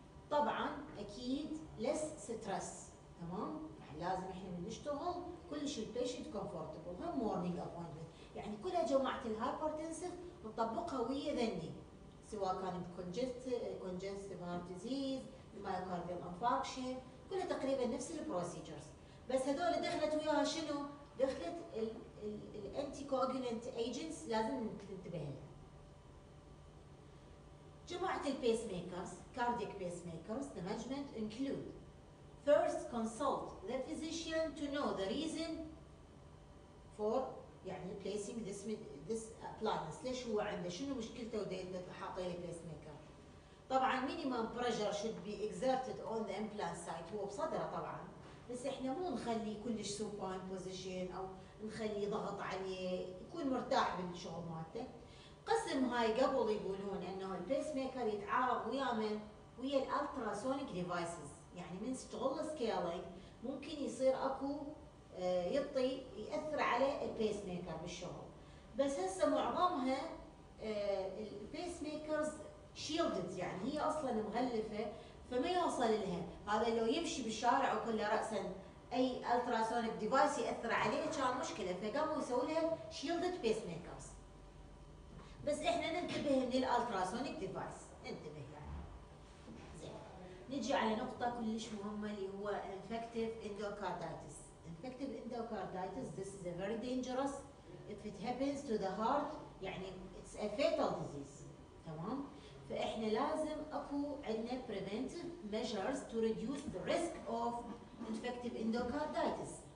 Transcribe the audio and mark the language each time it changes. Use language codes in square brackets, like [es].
[ar] طبعا اكيد لس ستريس، تمام؟ لازم احنا بنشتغل كل شيء البيشنت كومفورتبل، هم مورنينج ابوينتمنت، يعني كلها جماعه الهايبرتنسيف نطبقها ويا ذني، سواء كان كونجستيف هارت ديزيز، مايوكارديال انفاكشن، كلها تقريبا نفس البروسيجرز. بس هذول دخلت وياها شنو؟ دخلت الانتي كوجولنت ايجنتس لازم ننتبه لها. [en] جماعة البيس makers, cardiac pacemakers, the management include first consult the physician to know the reason for يعني placing this appliance. [ar] ليش هو عنده شنو مشكلته وده حاطه لي بيس ميكر؟ طبعا [en] minimum pressure should be exerted on the implant site، [ar] هو بصدره طبعا، بس احنا مو نخلي كلش supine position او نخلي ضغط عليه يكون مرتاح بالشغل مالته. قسم هاي قبل يقولون انه البيس ميكر يتعارض ويا من؟ ويا الالتراسونيك ديفايسز، يعني من تشتغل سكيلينج ممكن يصير اكو يطي ياثر على البيس ميكر بالشغل. بس هسه معظمها البيس ميكرز شيلدد، يعني هي اصلا مغلفه فما يوصل لها. هذا لو يمشي بالشارع وكله راسا اي التراسونيك ديفايس ياثر عليه كان مشكله، فقاموا يسووا لها شيلدد بيس ميكرز. بس احنا ننتبه من الالتراسونيك ديفايس، ننتبه يعني. نجي على نقطة كلش مهمة اللي هو انفكتيف اندوكارديتس. [en] infective endocarditis this is a very dangerous if it happens to the heart، يعني it's a fatal disease، [ar] تمام؟ فاحنا لازم اكو عندنا [en] preventive measures to reduce the risk of infective endocarditis.